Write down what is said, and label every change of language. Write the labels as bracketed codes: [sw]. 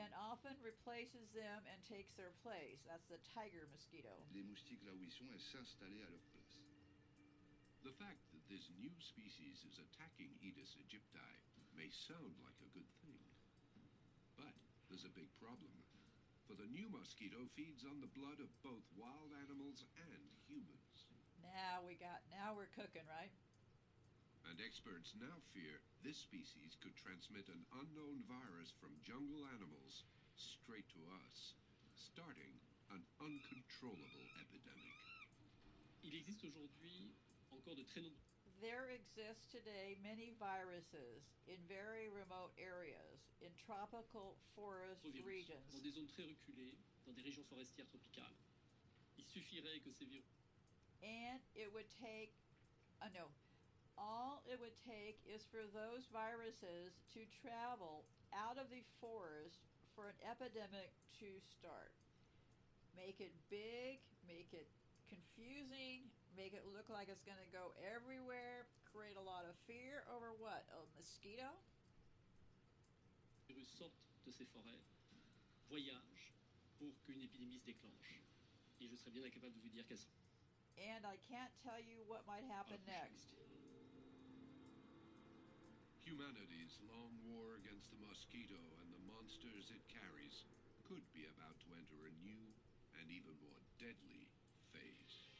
[en] And often replaces them and takes their place. That's the tiger mosquito. [fr] Les moustiques là où ils sont, elles s'installent à leur place. [en] The fact that this new species is attacking Aedes aegypti may sound like a good thing, but there's a big problem. For the new mosquito feeds on the blood of both wild animals and humans. Now we're cooking, right? And experts now fear this species could transmit an unknown virus from jungle animals straight to us, starting an uncontrollable epidemic. [fr] Il existe aujourd'hui encore de très nombreux. [en] There exist today many viruses in very remote areas, in tropical forest regions. [fr] Dans des zones très reculées, dans des régions forestières tropicales. Il suffirait que ces virus. [en] And it would take, all it would take is for those viruses to travel out of the forest for an epidemic to start. Make it big, make it confusing, make it look like it's going to go everywhere, create a lot of fear over what? A mosquito? [fr] Virus sort de ces forêts, voyage pour qu'une épidémie se déclenche. Et je serais bien incapable de vous dire qu'elle. [en] And I can't tell you what might happen next. Humanity's long war against the mosquito and the monsters it carries could be about to enter a new and even more deadly phase.